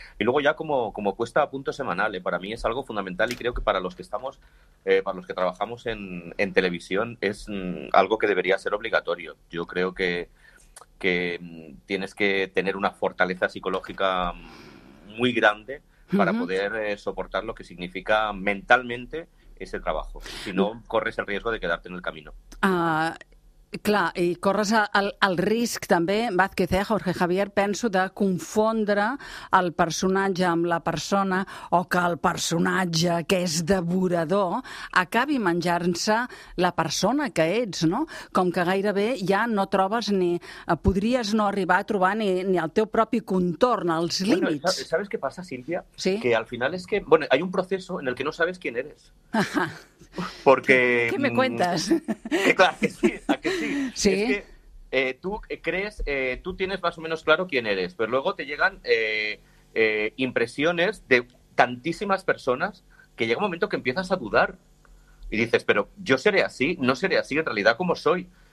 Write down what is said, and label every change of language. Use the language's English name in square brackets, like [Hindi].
[Spanish] Y luego ya como cuesta a punto semanal, para mí es algo fundamental y creo que para los que estamos, para los que trabajamos en televisión, es algo que debería ser obligatorio. Yo creo que tienes que tener una fortaleza psicológica muy grande para poder soportar lo que significa mentalmente ese trabajo. Si no, corres el riesgo de quedarte en el camino. [Catalan] Clar, i corres el risc també, Vázquez, Jorge Javier, penso, de confondre el personatge amb la persona o que el personatge que és devorador acabi menjant-se la persona que ets, no? Com que gairebé ja no trobes ni... podries no arribar a trobar ni el teu propi contorn, els límits. [Spanish] Bueno, ¿sabes qué pasa, Silvia? Sí? Que al final es que... Bueno, hay un proceso en el que no sabes quién eres. Porque... ¿Qué me cuentas? Claro que sí, Sí. ¿Sí? Es que tú crees, tú tienes más o menos claro quién eres, pero luego te llegan impresiones de tantísimas personas que llega un momento que empiezas a dudar y dices, pero yo seré así, no seré así, en realidad como soy.